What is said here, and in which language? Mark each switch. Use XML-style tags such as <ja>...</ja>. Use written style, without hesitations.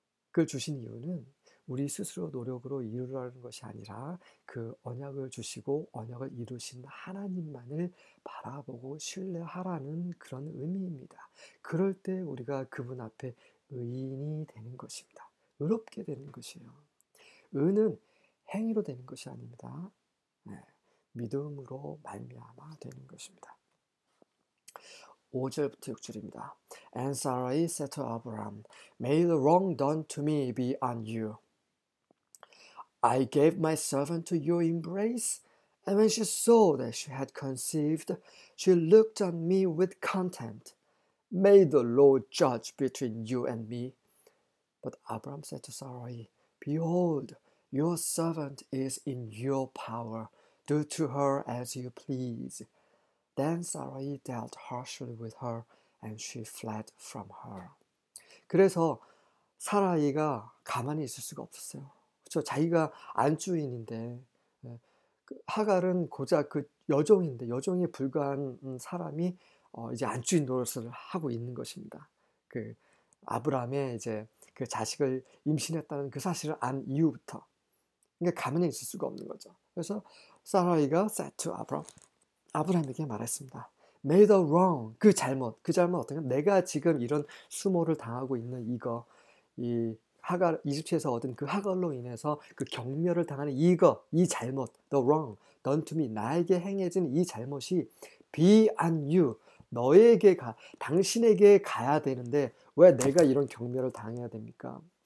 <ko>그걸 주신 이유는 우리 스스로 노력으로 이루라는 것이 아니라 그 언약을 주시고 언약을 이루신 하나님만을 바라보고 신뢰하라는 그런 의미입니다. 그럴 때 우리가 그분 앞에 의인이 되는 것입니다. 의롭게 되는 것이에요. 의는 행위로 되는 것이 아닙니다. 네, 믿음으로 말미암아 되는 것입니다. 5절부터 6절입니다.</ko> <en>And Sarai said to Abraham, May the wrong done to me be on you. I gave my servant to your embrace, and when she saw that she had conceived, she looked on me with contempt. May the Lord judge between you and me. But Abraham said to Sarai, Behold, your servant is in your power. Do to her as you please. Then Sarai dealt harshly with her, and she fled from her.</en> <ko>그래서 사라이가 가만히 있을 수가 없었어요. 그렇죠? 자기가 안주인인데 하갈은 고작 그 여종인데 여종에 불과한 사람이 이제 안주인 노릇을 하고 있는 것입니다. 그 아브라함의 이제 그 자식을 임신했다는 그 사실을 안 이후부터 그러니까 가만히 있을 수가 없는 거죠. 그래서 사라이가</ko> <en>said to Abraham.</en> <ko>아브라함에게 말했습니다.</ko> <en>May the wrong,</en> <ko>그 잘못 어떤가? 내가 지금 이런 수모를 당하고 있는 이거, 이 하갈 이집트에서 얻은 그 하갈로 인해서 그 경멸을 당하는 이거, 이 잘못,</ko> <en>the wrong done to me,</en> <ko>나에게 행해진 이 잘못이</ko> <en>be on you,</en> <ko>너에게 가, 당신에게 가야 되는데 왜 내가 이런 경멸을 당해야 됩니까?</ko>